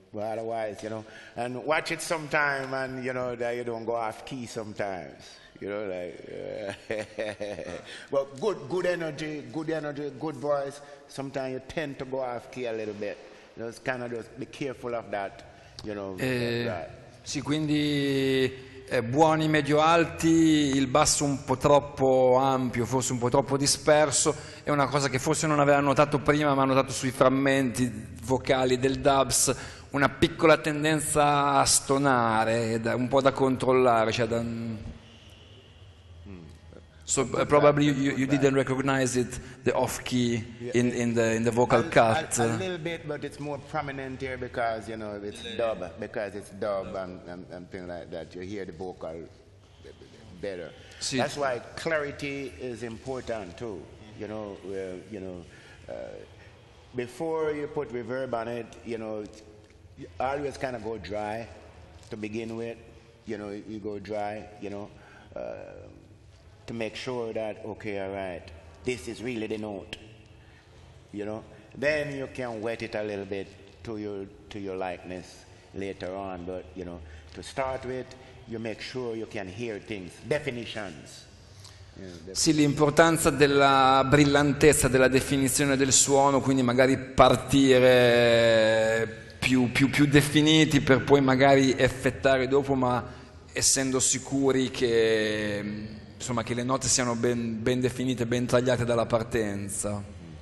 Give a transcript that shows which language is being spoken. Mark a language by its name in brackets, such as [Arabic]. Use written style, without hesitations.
[English] But otherwise, you know, and watch it sometime, and you know that you don't go off key sometimes, you know, like. Well, good energy, good voice. Sometimes you tend to go off key a little bit. Just kind of just be careful of that, you know. [Italian] Sì, quindi. Buoni medio alti, il basso un po' troppo ampio, forse un po' troppo disperso, è una cosa che forse non aveva notato prima, ma ha notato sui frammenti vocali del dubs, una piccola tendenza a stonare, un po' da controllare, cioè da... [English] So probably you didn't recognize it, the off key in the vocal cut. A little bit, but it's more prominent here because you know it's dub, because it's dub and things like that. You hear the vocal better. Si. That's why clarity is important too. You know, before you put reverb on it, you know, you always kind of go dry to begin with. You know, you go dry. You know. To make sure that, okay, all right, this is really the note, you know? Then you can wet it a little bit to your likeness later on, but, you know, to start with, you make sure you can hear things, definitions. [Italian] Sì, l'importanza della brillantezza, della definizione del suono, quindi magari partire più definiti per poi magari effettare dopo, ma essendo sicuri che insomma che le note siano ben definite, ben tagliate dalla partenza.